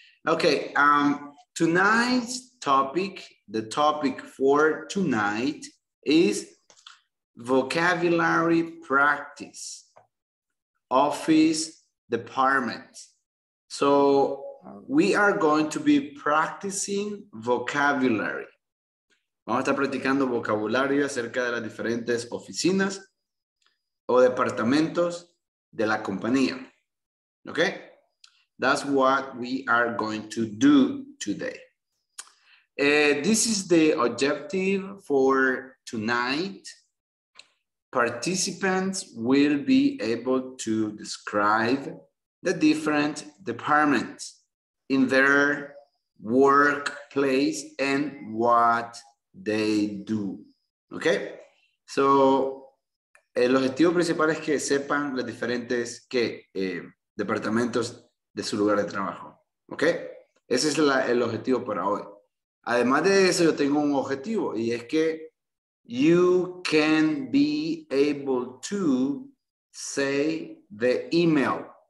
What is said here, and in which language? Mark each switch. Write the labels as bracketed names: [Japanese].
[English] Okay, tonight's topic, the topic for tonight is vocabulary practice, office department. So we are going to be practicing vocabulary. [Spanish] Vamos a estar practicando vocabulario acerca de las diferentes oficinas o departamentos de la compañía. [English] Okay? That's what we are going to do today. This is the objective for tonight. Participants will be able to describe the different departments in their workplace and what they do. Okay? [Spanish] So, el objetivo principal es que sepan las diferentes departamentos de su lugar de trabajo. Okay? Ese es el objetivo para hoy. Además de eso, yo tengo un objetivo y es que [English] you can be able to say the email.